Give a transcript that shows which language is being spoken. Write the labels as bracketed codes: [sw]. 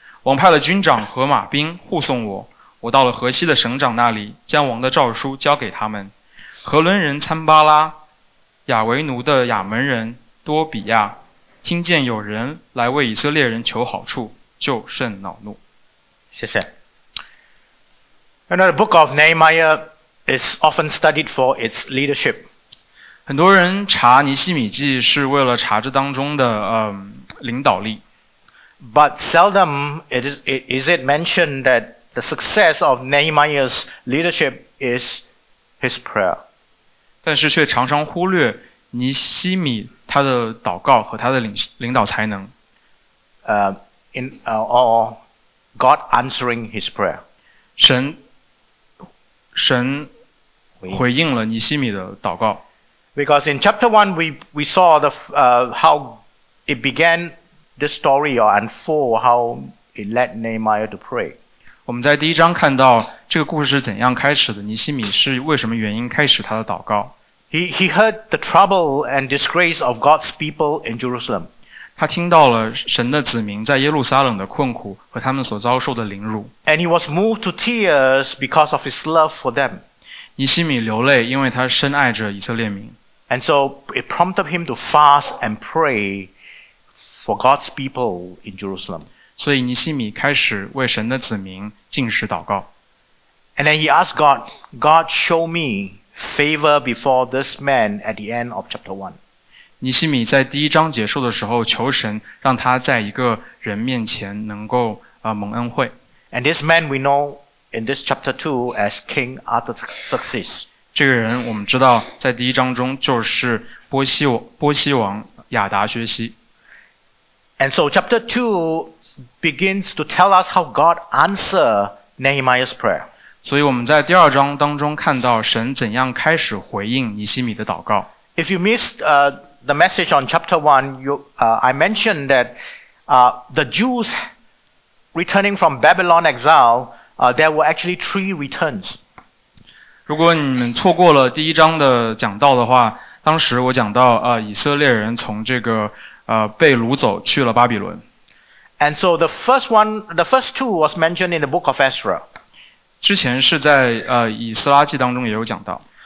[zh] 王派了军长和马兵护送我，我到了河西的省长那里，将王的诏书交给他们。河伦人参巴拉、亚维奴的亚门人多比亚听见有人来为以色列人求好处，就甚恼怒。谢谢。 [en] And the book of Nehemiah is often studied for its leadership. [zh] 很多人查尼希米记是为了查这当中的领导力。 [en] But seldom is it mentioned that the success of Nehemiah's leadership is his prayer. [zh] 但是却常常忽略尼希米他的祷告和他的领导才能。 [en] God answering his prayer. [zh] 神回应了尼希米的祷告。 [en] Because in chapter 1 we saw how it began this story or unfold how it led Nehemiah to pray. [zh] 我们在第一章看到这个故事是怎样开始的，尼希米是为什么原因开始他的祷告。 [en] He heard the trouble and disgrace of God's people in Jerusalem. [zh] 他听到了神的子民在耶路撒冷的困苦和他们所遭受的凌辱。 [en] And he was moved to tears because of his love for them. [zh] 尼希米流泪，因为他深爱着以色列民。 [en] And so it prompted him to fast and pray for God's people in Jerusalem. [zh] 所以尼希米开始为神的子民进食祷告。 [en] And then he asked God, God show me favor before this man at the end of chapter 1. [zh] 尼希米在第一章结束的时候求神让他在一个人面前能够蒙恩惠。 [en] And this man we know in this chapter 2 as King Artaxerxes. [zh] 这个人我们知道在第一章中就是波西王亚达薛西。 [en] And so chapter 2 begins to tell us how God answered Nehemiah's prayer. [zh] 所以我们在第二章当中看到神怎样开始回应尼希米的祷告。 [en] If you missed the message on chapter 1, I mentioned that the Jews returning from Babylon exile, there were actually three returns. [zh] 如果你们错过了第一章的讲道的话，当时我讲到以色列人从这个被掳走去了巴比伦。 [en] And so the first two was mentioned in the book of Ezra. [zh] 之前是在以斯拉记当中也有讲到。